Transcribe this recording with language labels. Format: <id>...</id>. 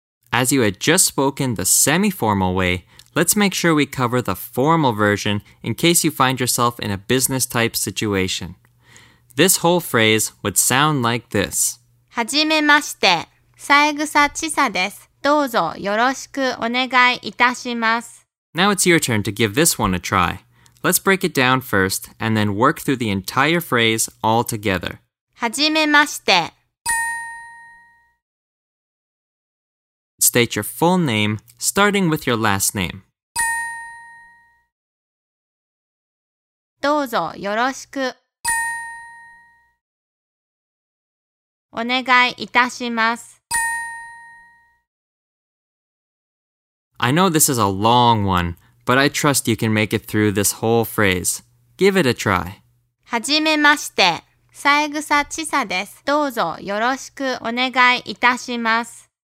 <en>As you had just spoken the semi-formal way, let's make sure we cover the formal version in case you find yourself in a business-type situation. This whole phrase would sound like this.</en> <ja>はじめまして、三枝千紗です。どうぞよろしくお願いいたします。</ja> <en>Now it's your turn to give this one a try. Let's break it down first, and then work through the entire phrase all together.</en> <ja>はじめまして。</ja> <en>State your full name, starting with your last name.</en> <ja>どうぞよろしく。お願いいたします。</ja> <en>I know this is a long one, but I trust you can make it through this whole phrase. Give it a try.</en> <ja>はじめまして。三枝千紗です。どうぞよろしくお願いいたします。</ja>